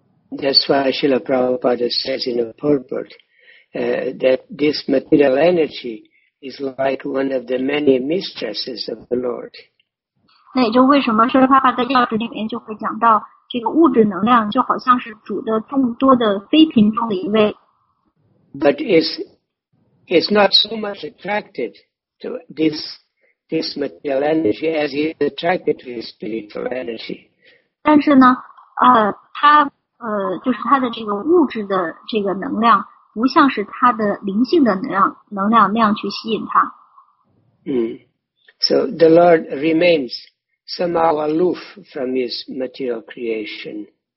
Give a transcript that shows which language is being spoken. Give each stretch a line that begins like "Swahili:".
English: That's why Srila Prabhupada says in a purport, that this material energy is like one of the many mistresses of the Lord.
Chinese: 那也就为什么说他在要旨里面就会讲到这个物质能量就好像是主的众多的妃嫔中的一位。
English: But it's not so much attracted to this material energy as he is attracted to his spiritual energy.
Chinese: 但是呢，他就是他的这个物质的这个能量，不像是他的灵性的能量那样去吸引他。
English: So the Lord remains somehow aloof from his material creation.